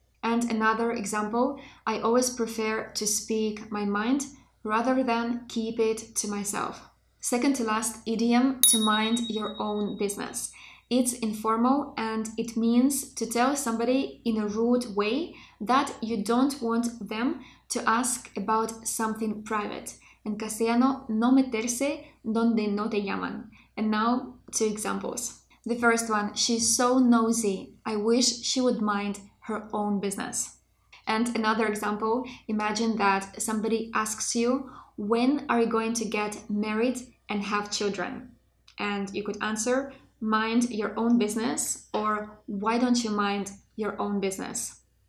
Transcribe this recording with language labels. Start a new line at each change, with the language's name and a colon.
English: And another example, I always prefer to speak my mind rather than keep it to myself. Second to last idiom, to mind your own business. It's informal and it means to tell somebody in a rude way that you don't want them to ask about something private.
Spanish: En castellano, no meterse donde no te llaman.
English: And now, two examples. The first one, she's so nosy, I wish she would mind her own business. And another example, imagine that somebody asks you, when are you going to get married and have children? And you could answer, mind your own business, or why don't you mind your own business?